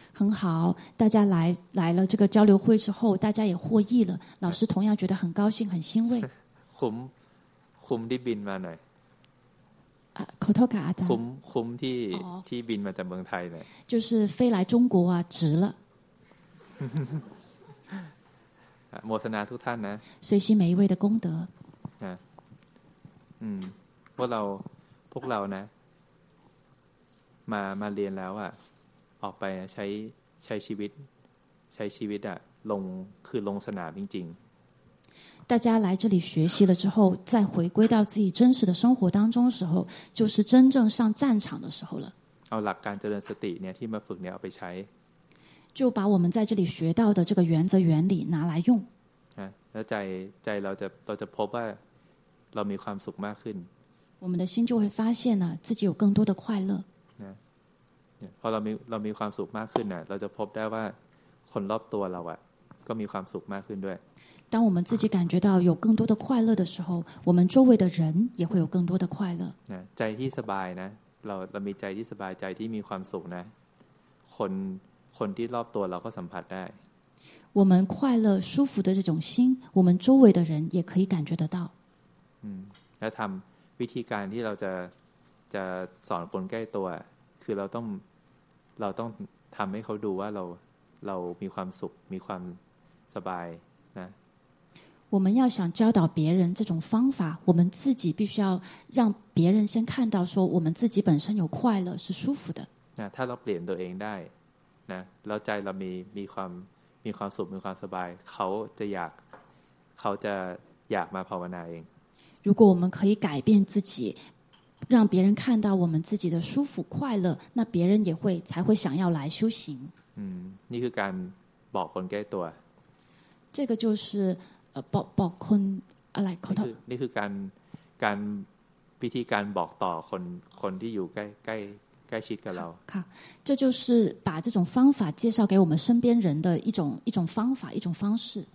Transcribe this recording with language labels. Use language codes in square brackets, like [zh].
[zh] 很好大家来了这个交流会之后大家也获益了老师同样觉得很高兴很欣慰 [th] คุ้มที่บินมาหน่อย ขอโทษค่ะอาจารย์ คุ้มที่บินมาจากเมืองไทยหน่อย [zh] 就是飞来中国啊值了 [th] โมทนาทุกท่านนะ [zh] 随喜每一位的功德 [th] พวกเรานะมาเรียนแล้วอะออกไปใช้ชีวิตอะลงคือลงสนามจริง [zh] ๆ大家来这里学习了之后再回归到自己真实的生活当中的时候就是真正上战场的时候了 [th] เอาหลักการเจริญสติเนี่ยที่มาฝึกเนี่ยเอาไปใช้ [zh] 就把我们在这里学到的这个原则原理拿来用 [th] แล้วใจเราจะพบว่าเรามีความสุขมากขึ้น [zh] 我们的心就会发现呢自己有更多的快乐 [th] พอเรามีความสุขมากขึ้นน่ะเราจะพบได้ว่าคนรอบตัวเราอ่ะก็มีความสุขมากขึ้นด้วย [zh] 当我们自己感觉到有更多的快乐的时候我们周围的人也会有更多的快乐 [th] ใจที่สบายนะเรามีใจที่สบายใจที่มีความสุขนะคนที่รอบตัวเราก็สัมผัสได้ [zh] 我们快乐舒服的这种心我们周围的人也可以感觉得到 [th] และทำวิธีการที่เราจะสอนคนใกล้ตัวคือเราต้องทำให้เขาดูว่าเรามีความสุขมีความสบายนะ [zh] 我们要想教导别人这种方法我们自己必须要让别人先看到说我们自己本身有快乐是舒服的 [th] นะถ้าเราเปลี่ยนตัวเองได้นะแล้วใจเรามีความสุขมีความสบายเขาจะอยากมาภาวนาเอง [zh] 如果我们可以改变自己让别人看到我们自己的舒服快乐那别人也会才会想要来修行 [th] นี่คือการบอกคนแก้ตัว [zh] 这个就是 [th] บอกคนอะไรขอโทษ นี่คือการวิธีการบอกต่อคนที่อยู่ใกล้ชิดกับเรา [zh] ค่ะ这就是把这种方法介绍给我们身边人的一种方法一种方式